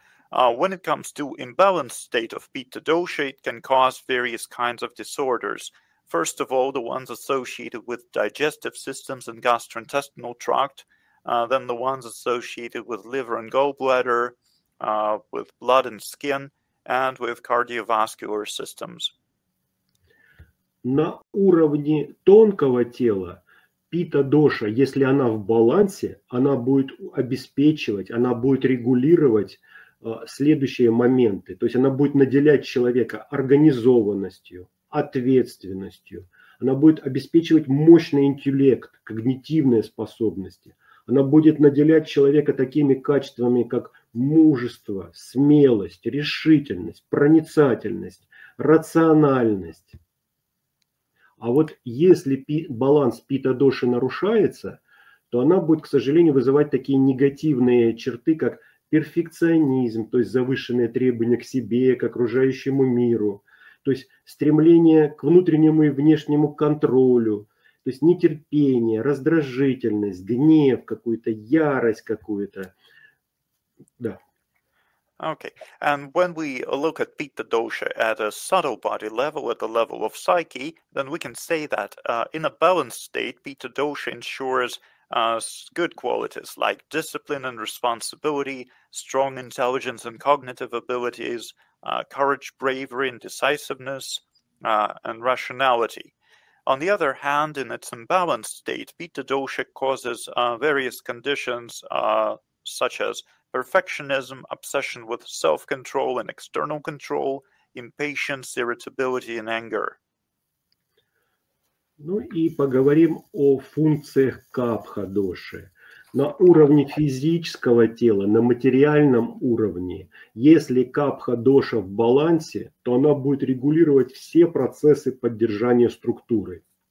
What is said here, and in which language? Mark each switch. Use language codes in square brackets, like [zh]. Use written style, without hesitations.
[en] When it comes to imbalanced state of Pitta dosha, it can cause various kinds of disorders. First of all, the ones associated with digestive systems and gastrointestinal tract, then the ones associated with liver and gallbladder, with blood and skin, and with cardiovascular systems. [ru] На уровне тонкого тела питта-доша, если она в балансе, она будет обеспечивать, она будет регулировать следующие моменты. То есть она будет наделять человека организованностью, ответственностью. Она будет обеспечивать мощный интеллект, когнитивные способности. Она будет наделять человека такими качествами, как мужество, смелость, решительность, проницательность, рациональность. А вот если баланс питта-доши нарушается, то она будет, к сожалению, вызывать такие негативные черты, как перфекционизм, то есть завышенные требования к себе, к окружающему миру, то есть стремление к внутреннему и внешнему контролю, то есть нетерпение, раздражительность, гнев, какую-то ярость какую-то. Да. [en] Okay, and when we look at Pitta dosha at a subtle body level, at the level of psyche, then we can say that in a balanced state, Pitta dosha ensures good qualities like discipline and responsibility, strong intelligence and cognitive abilities, courage, bravery, and decisiveness, and rationality. On the other hand, in its imbalanced state, Pitta dosha causes various conditions such as perfectionism, obsession with self-control and external control, impatience, irritability and anger. [ru] Ну и поговорим о функциях капха-доши. На уровне физического тела, на материальном уровне, если капха-доша в балансе, то она будет регулировать все процессы поддержания структуры.